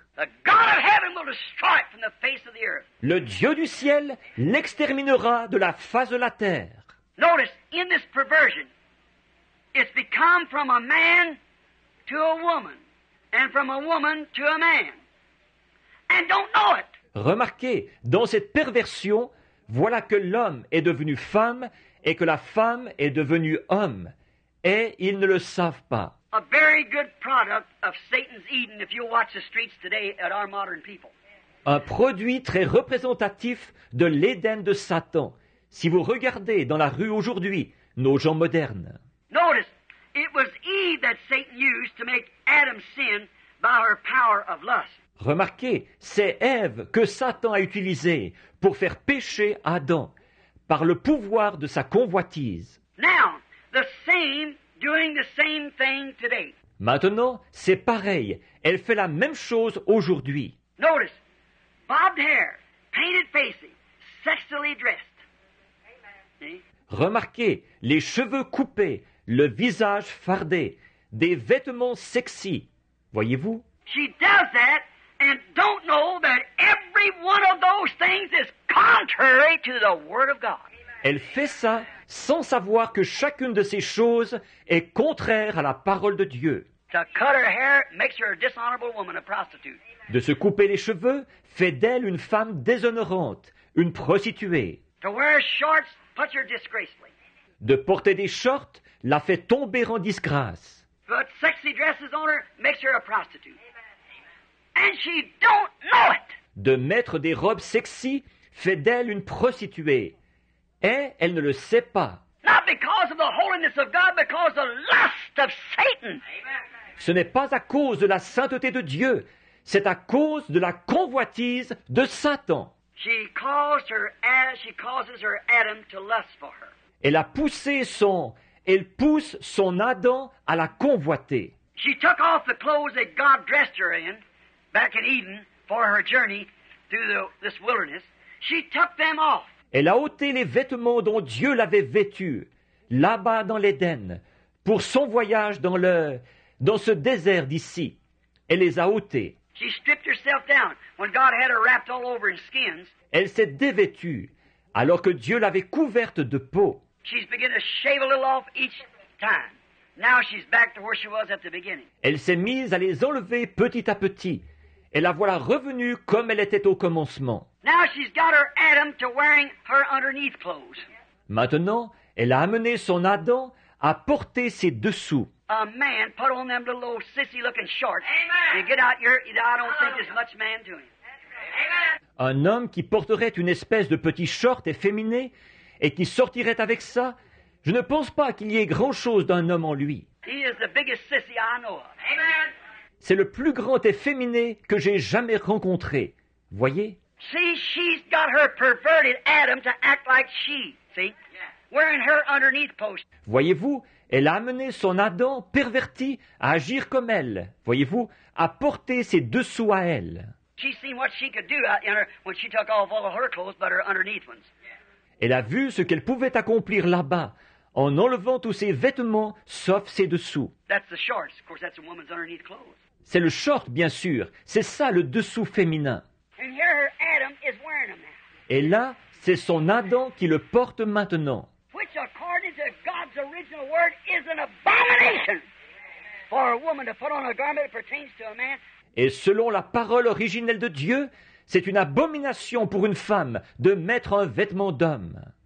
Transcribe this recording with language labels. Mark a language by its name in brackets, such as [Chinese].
[English] The God of heaven will destroy it from the face of the earth. [French] Le Dieu du ciel l'exterminera de la face de la terre. [English] Notice, in this perversion, it's become from a man to a woman, and from a woman to a man, and don't know it. [French] Remarquez, dans cette perversion, voilà que l'homme est devenu femme et que la femme est devenue homme, et ils ne le savent pas. [English] A very good product of Satan's Eden, if you watch the streets today at our modern people. [French] Un produit très représentatif de l'Éden de Satan, si vous regardez dans la rue aujourd'hui, nos gens modernes. [English] Notice, it was Eve that Satan used to make Adam sin by her power of lust. [French] Remarquez, c'est Ève que Satan a utilisé pour faire pécher Adam par le pouvoir de sa convoitise. [English] Now, the same doing the same thing today. [French] Maintenant, c'est pareil. Elle fait la même chose aujourd'hui. [English] Notice, bobbed hair, painted faces, sexually dressed. Amen. [French] Remarquez, les cheveux coupés, le visage fardé, des vêtements sexy. Voyez-vous? [English] She does that and don't know that every one of those things is contrary to the Word of God. [French] Elle fait ça sans savoir que chacune de ces choses est contraire à la parole de Dieu. [English] To cut her hair makes her a dishonorable woman, a prostitute. [French] De se couper les cheveux fait d'elle une femme déshonorante, une prostituée. [English] To wear shorts puts her disgracefully. [French] De porter des shorts la fait tomber en disgrâce. [English] But sexy dresses on her makes her a prostitute. And she don't know it. [French] De mettre des robes sexy fait d'elle une prostituée. Et elle ne le sait pas. [English] Not because of the holiness of God, because of lust of Satan. [French] Ce n'est pas à cause de la sainteté de Dieu, c'est à cause de la convoitise de Satan. [English] She causes her Adam to lust for her. [French] Elle a poussé son, elle pousse son Adam à la convoiter. [English] She took off the clothes that God dressed her in back in Eden for her journey through this wilderness. She took them off. [French] Elle a ôté les vêtements dont Dieu l'avait vêtue, là-bas dans l'Éden, pour son voyage dans ce désert d'ici. Elle les a ôtés. [English] She stripped herself down when God had her wrapped all over in skins. [French] Elle s'est dévêtue, alors que Dieu l'avait couverte de peau. [English] She's begun to shave a little off each time. Now she's back to where she was at the beginning. [French] Elle s'est mise à les enlever petit à petit. Et la voilà revenue comme elle était au commencement. [English] Now she's got her Adam to wearing her underneath clothes. [French] Maintenant, elle a amené son Adam à porter ses dessous. [English] A man put on them little old sissy looking shorts. Amen. You get out here, I don't think there's much man doing. Amen. [French] Un homme qui porterait une espèce de petit short efféminé et qui sortirait avec ça, je ne pense pas qu'il y ait grand chose d'un homme en lui. [English] He is the biggest sissy I know of. Amen. [French] C'est le plus grand efféminé que j'ai jamais rencontré. Voyez? [English] See, she's got her perverted Adam to act like she, see? Yeah. Wearing her underneath post. [French] Voyez-vous? Elle a amené son Adam perverti à agir comme elle. Voyez-vous? À porter ses dessous à elle. [English] She's seen what she could do in her when she took off all of her clothes but her underneath ones. Yeah. [French] Elle a vu ce qu'elle pouvait accomplir là-bas. En enlevant tous ses vêtements, sauf ses dessous. [English] That's the shorts. Of course, that's a woman's underneath clothes. [French] C'est le short, bien sûr. C'est ça, le dessous féminin. [English] And here her Adam is wearing them. [French] Et là, c'est son Adam qui le porte maintenant. [English] Which, according to God's original word, is an abomination for a woman to put on a garment that pertains to a man. [French] Et selon la parole originelle de Dieu, c'est une abomination pour une femme de mettre un vêtement d'homme.